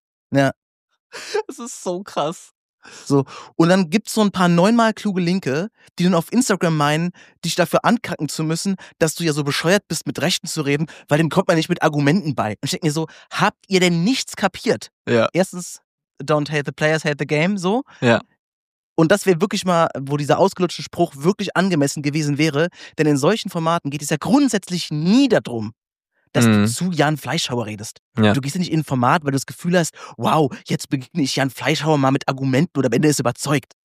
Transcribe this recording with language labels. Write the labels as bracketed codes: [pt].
[de] Ja. Es ist so krass. So, und dann gibt's so ein paar neunmal kluge Linke, die dann auf Instagram meinen, dich dafür ankacken zu müssen, dass du ja so bescheuert bist, mit Rechten zu reden, weil dem kommt man nicht mit Argumenten bei. Und ich denke mir so, habt ihr denn nichts kapiert? Ja. Erstens, [en] don't hate the players, hate the game, so. [de] Ja. Und das wäre wirklich mal, wo dieser ausgelutschte Spruch wirklich angemessen gewesen wäre, denn in solchen Formaten geht es ja grundsätzlich nie darum, dass du zu Jan Fleischhauer redest. Ja. Du gehst ja nicht in ein Format, weil du das Gefühl hast, wow, jetzt begegne ich Jan Fleischhauer mal mit Argumenten oder am Ende ist überzeugt.